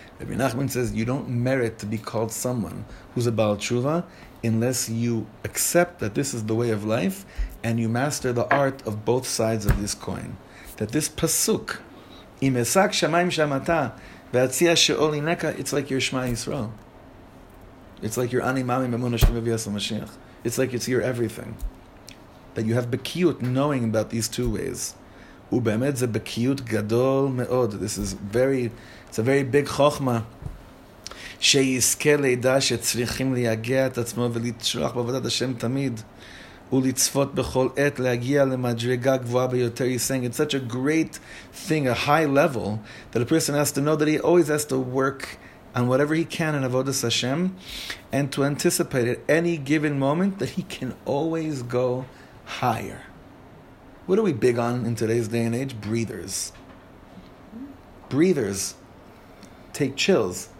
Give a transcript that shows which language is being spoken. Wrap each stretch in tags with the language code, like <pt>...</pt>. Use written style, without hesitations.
<en>Rabbi Nachman says, you don't merit to be called someone who's a Baal Tshuva unless you accept that this is the way of life and you master the art of both sides of this coin. That this pasuk, im esak shamayim shamata ve'atzia she'ol ineka, it's like your Shema Yisrael. It's like your animami memun Hashem v'yasa Mashiach. It's like it's your everything. That you have bekiut knowing about these two ways.</en> <he>ובאמת זה בקיאות גדול מאוד.</he> <en>This is very, it's a very big חוכמה.</en> <he>שיזכה לידע שצריכים להיגע את עצמו ולהתשלח בעבודת השם תמיד. ולצפות בכל עת להגיע למדרגה גבוהה ביותר.</he> <en>He's saying it's such a great thing, a high level, that a person has to know that he always has to work on whatever he can in avodas Hashem, and to anticipate at any given moment that he can always go higher. What are we big on in today's day and age? Breathers. Breathers. Take chills.</en>